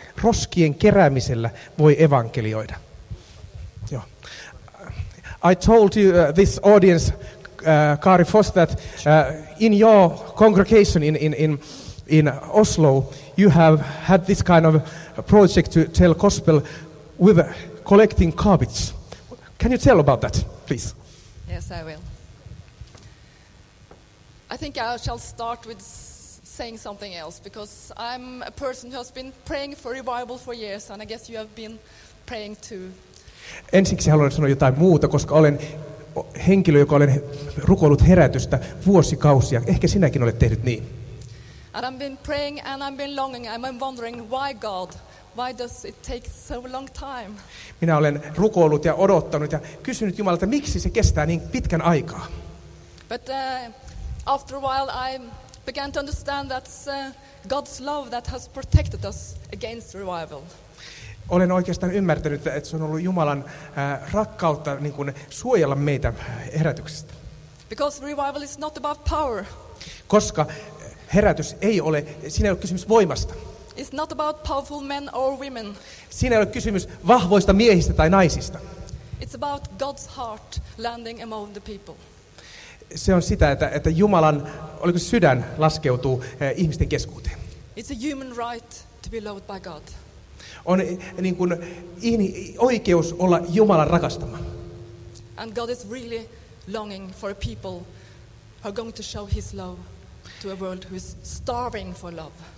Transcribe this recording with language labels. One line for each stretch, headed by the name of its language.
Finnish: Roskien keräämisellä voi evankelioida.
English: I told you this audience, Kari Foss, that in your congregation in Oslo, you have had this kind of project to tell gospel with collecting garbage. Can you tell about that, please? Yes, I will. I think I shall start with saying something else, because I'm a person who has been praying for revival for years, and I guess you have been praying too.
Finnish: Ensiksi haluan sanoa jotain muuta, koska olen henkilö, joka olen rukoillut herätystä vuosikausia. Ehkä sinäkin olet tehnyt niin.
English: And I've been praying and I've been longing. I've been wondering why God, why does it take so long time?
Finnish: Minä olen rukoillut ja odottanut ja kysynyt Jumalalta, miksi se kestää niin pitkän aikaa.
English: But after a while I began to understand that's God's love that has protected us against revival.
Finnish: Olen oikeastaan ymmärtänyt, että se on ollut Jumalan rakkautta niin kuin suojella meitä herätyksestä.
English: Because revival is not about power.
Finnish: Koska herätys ei ole, siinä ei ole kysymys voimasta.
English: It's not about powerful men or women.
Finnish: Siinä ei ole kysymys vahvoista miehistä tai naisista.
English: It's about God's heart landing among the people.
Finnish: Se on sitä, että Jumalan, oliko se sydän, laskeutuu ihmisten keskuuteen.
English: It's a human right to be loved by God.
Finnish: On niin kuin oikeus olla Jumalan rakastama.
English: And God is really longing for a people who are going to show his love to a world who is starving for love.